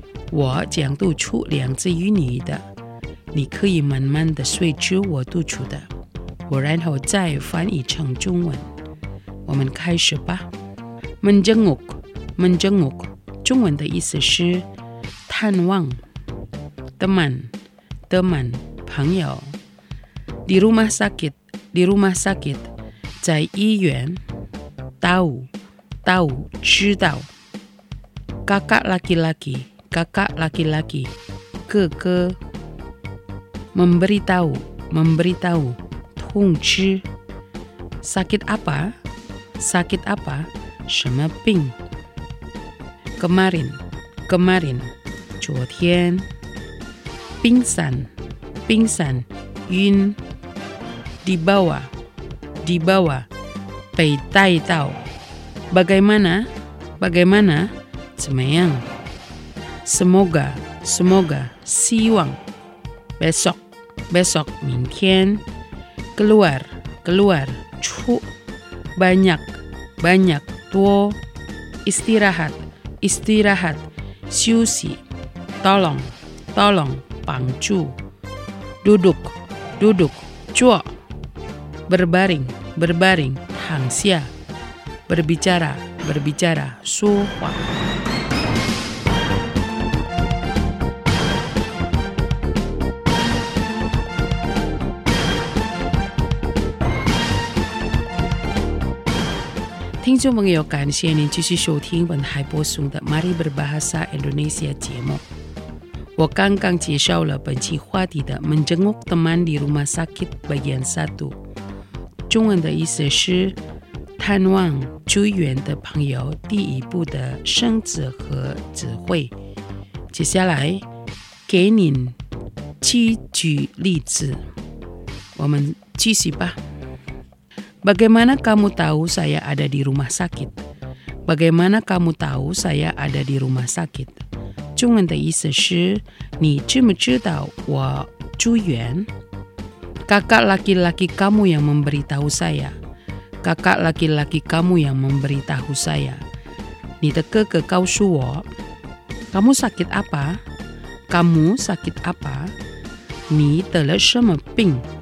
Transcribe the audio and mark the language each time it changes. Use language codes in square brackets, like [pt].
[zh] 我将读出两字于你的，你可以慢慢的随着我读出的，我然后再翻译成中文。我们开始吧。 [id] Menjenguk， Menjenguk [zh] 中文的意思是探望。 [id] Teman， Teman [zh] 朋友。 [id] Di rumah sakit， Di rumah sakit [zh] 在医院。 [id] Tahu， Tahu [zh] 知道。 [id] Kakak laki-laki， Kakak laki-laki [zh] 哥哥。 [id] Memberitahu， Memberitahu [zh] 通知。 [id] Sakit apa？ Sakit apa? [zh] 什么病？ [id] Kemarin， Kemarin， [zh] 昨天。 [id] Pingsan， Pingsan， [zh] 晕。 [id] Dibawa， Dibawa， [zh] 被带到。 [id] Bagaimana， Bagaimana， [zh] 怎么样？ [id] Semoga， Semoga， [zh] 希望。 [id] Besok， Besok， [zh] 明天。 [id] Keluar， Keluar， [zh] 出。 [id] Banyak，banyak， [zh] 多。 [id] istirahat， istirahat， [zh] 休息。 [id] tolong， tolong， [zh] 帮助。 [id] duduk， duduk， [zh] 坐。 [id] berbaring， berbaring， [zh] 躺下。 [id] berbicara， berbicara， [zh] 说话。听众朋友，感谢您继续收听本台播送的 Mari Berbahasa Indonesia 节目。我刚刚介绍了本期话题的 [id] Menjenguk teman di rumah sakit bagian satu， [zh] 中文的意思是探望住院的朋友，第一步的生词和词汇。接下来给您几句例子，我们继续吧。 [id] Bagaimana kamu tahu saya ada di rumah sakit? Bagaimana kamu tahu saya ada di rumah sakit? [zh] 中文的意思是，你知不知道我住院？ [id] Kakak laki-laki kamu yang memberitahu saya. Kakak laki-laki kamu yang memberitahu saya. [zh] 你的哥哥告诉我。 [id] Kamu sakit apa? Kamu sakit apa? [zh] 你得了什么病？